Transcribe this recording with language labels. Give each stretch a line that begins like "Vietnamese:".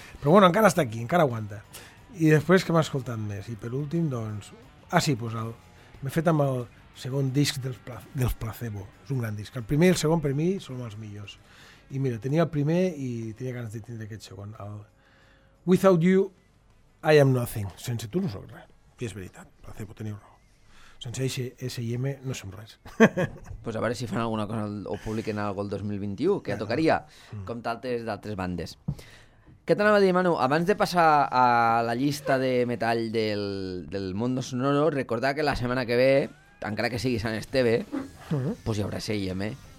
Catalan: Però bueno, encara està aquí, encara aguanta. I després, que m'ha escoltat més? I per últim, doncs... Ah, sí, pues m'he fet amb el segon disc dels Placebo. És un gran disc. El primer i el segon, per mi, són els millors. I mira, tenia el primer i tenia ganes de tindre aquest segon.
English: Without you, I am nothing.
Catalan: Sense tu no soc res. I és veritat, Placebo, teniu raó. Sense S&M no som res. Pues a veure si fan alguna cosa o publiquen alguna cosa el 2021, que ja tocaria, com d'altres bandes. Què t'anava a dir, Manu? Abans de passar a la llista de metall del Mundo Sonoro, recordar que la setmana que ve, encara que sigui Sant Esteve, pues hi haurà S&M.